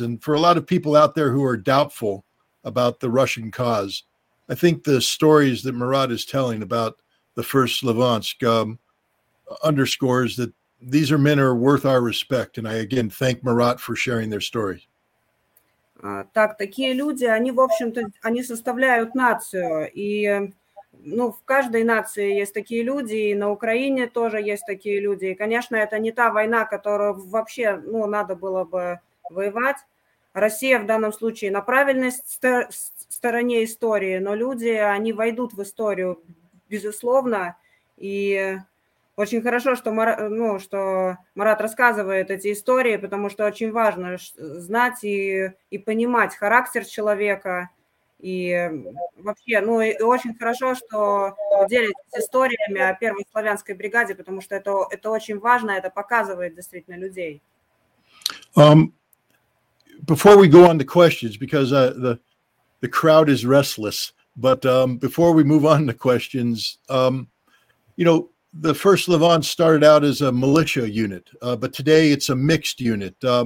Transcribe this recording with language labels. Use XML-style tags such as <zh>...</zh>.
<en>And for a lot of people out there who are doubtful about the Russian cause, I think the stories that Murat is telling about the first Slavonsk underscores that these are men who are worth our respect. And I again thank Murat for sharing their story.</en> <ru>Так, такие люди, они, в общем-то, они составляют нацию. И, ну, в каждой нации есть такие люди, и на Украине тоже есть такие люди. И, конечно, это не та война, которую вообще, ну, надо было бы воевать. Россия в данном случае на правильной стороне истории, но люди, они войдут в историю, безусловно. И очень хорошо, что, ну, что Марат рассказывает эти истории, потому что очень важно знать и понимать характер человека. И вообще, ну, и очень хорошо, что делитесь историями о первой славянской бригаде, потому что это очень важно, это показывает действительно людей.</ru> <en>Before we go on to questions, because the crowd is restless, but before we move on to questions, you know, the first Levant started out as a militia unit, but today it's a mixed unit.</en>